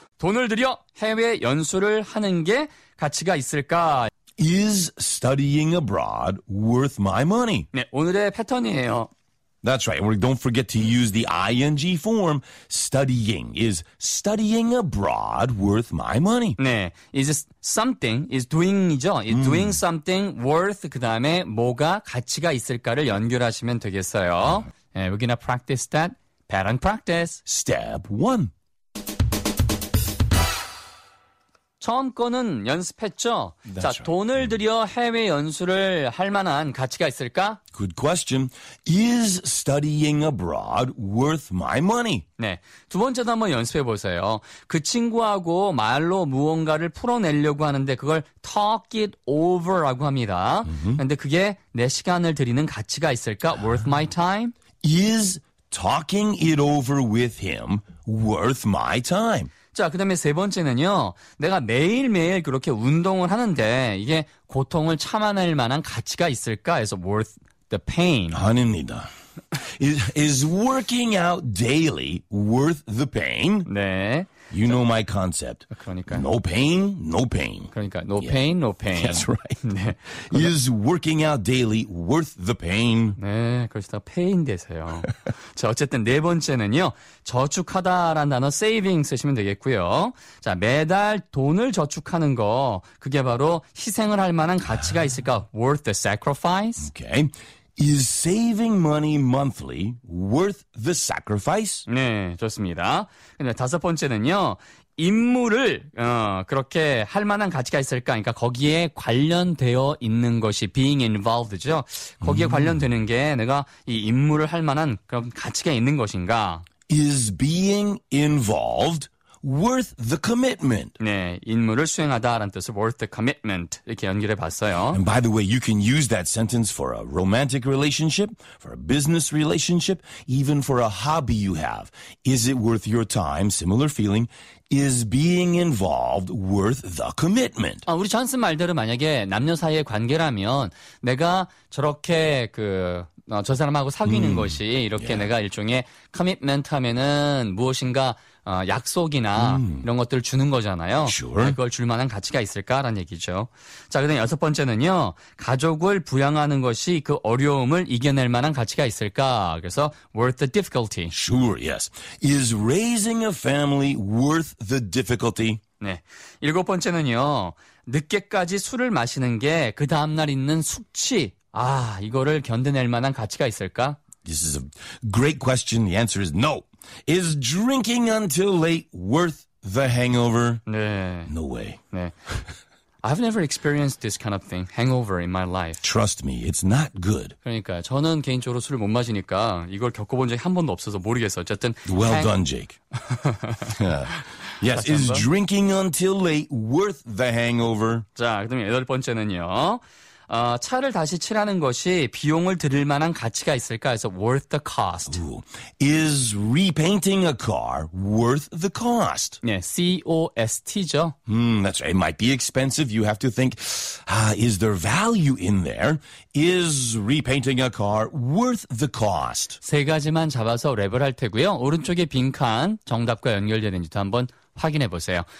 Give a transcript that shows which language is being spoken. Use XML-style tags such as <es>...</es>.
<ko>돈을 들여 해외 연수를 하는 게 가치가 있을까?</ko> <en>Is studying abroad worth my money?</en> <ko>네, 오늘의 패턴이에요.</ko> <en>That's right. Don't forget to use the ing form. Studying. Is studying abroad worth my money?</en> <ko>네.</ko> <en>Is something, is doing이죠. Is doing something worth,</en> <ko>그 다음에 뭐가 가치가 있을까를 연결하시면 되겠어요.</ko> <en>We're going to practice that. Pattern practice. Step one.</en> <ko>처음 거는 연습했죠?</ko> <en>That's</en> <ko>자,</ko> <en>right.</en> <ko>돈을 들여 해외 연수를 할 만한 가치가 있을까?</ko> <en>Good question. Is studying abroad worth my money?</en> <ko>네, 두 번째도 한번 연습해 보세요. 그 친구하고 말로 무언가를 풀어내려고 하는데 그걸</ko> <en>talk it over</en> <ko>라고 합니다. 그런데 그게 내 시간을 들이는 가치가 있을까?</ko> <en>Worth my time? Is talking it over with him worth my time?</en> <ko>자, 그 다음에 세 번째는요. 내가 매일매일 그렇게 운동을 하는데 이게 고통을 참아낼 만한 가치가 있을까? 해서</ko> <en>worth the pain.</en> <ko>아닙니다.</ko> <en>Is working out daily worth the pain?</en> <ko>네.</ko> <en>You know my concept.</en> <ko>그러니까</ko> <en>no pain, no pain.</en> <ko>그러니까</ko> <en>no pain, no pain. That's right.</en> <ko>네.</ko> <en>Is working out daily worth the pain?</en> <ko>네, 그렇습니다. pain 되세요. 자, 어쨌든 네 번째는요. 저축하다라는 단어 saving 쓰시면 되겠고요. 자, 매달 돈을 저축하는 거 그게 바로 희생을 할 만한 가치가 있을까?</ko> <en>worth the sacrifice? Okay. Is saving money monthly worth the sacrifice?</en> <ko>네, 좋습니다. 근데 다섯 번째는요. 임무를 그렇게 할 만한 가치가 있을까? 그러니까 거기에 관련되어 있는 것이</ko> <en>being involved</en> <ko>죠. 거기에 관련되는 게 내가 이 임무를 할 만한 그런 가치가 있는 것인가?</ko> <en>Is being involved worth the commitment.</en> <ko>네, 임무를 수행하다라는 뜻을</ko> <en>worth the commitment</en> <ko>이렇게 연결해 봤어요.</ko> <en>And by the way, you can use that sentence for a romantic relationship, for a business relationship, even for a hobby you have. Is it worth your time? Similar feeling. Is being involved worth the commitment?</en> <ko>아, 우리 존슨 말대로 만약에 남녀 사이의 관계라면 내가 저렇게 그 저 사람하고 사귀는 것이 이렇게 내가 일종의 commitment 하면은 무엇인가 약속이나 이런 것들을 주는 거잖아요.</ko> <en>Sure.</en> <ko>그걸 줄 만한 가치가 있을까라는 얘기죠. 자, 그다음 여섯 번째는요. 가족을 부양하는 것이 그 어려움을 이겨낼 만한 가치가 있을까? 그래서</ko> <en>worth the difficulty. Sure, yes. Is raising a family worth the difficulty?</en> <ko>네. 일곱 번째는요. 늦게까지 술을 마시는 게 그 다음날 있는 숙취. 아, 이거를 견뎌낼 만한 가치가 있을까?</ko> <en>This is a great question. The answer is no. Is drinking until late worth the hangover?</en> <ko>네.</ko> <en>No way.</en> <ko>네.</ko> <en>I've never experienced this kind of thing, hangover in my life. Trust me, it's not good.</en> <ko>그러니까 저는 개인적으로 술을 못 마시니까 이걸 겪어본 적이 한 번도 없어서 모르겠어요. 어쨌든</ko> <en>Well done, Jake. Yes, is drinking until late worth the hangover?</en> <ko>자, 그다음에 여덟 번째는요. 차를 다시 칠하는 것이 비용을 들일 만한 가치가 있을까? 그래서</ko> <en>worth the cost. Ooh. Is repainting a car worth the cost?</en> <ko>네, C-O-S-T죠.</ko> <en>That's right. It might be expensive. You have to think, is there value in there? Is repainting a car worth the cost?</en> <ko>세 가지만 잡아서 랩을 할 테고요. 오른쪽에 빈칸 정답과 연결되는지도 한번 확인해 보세요.</ko>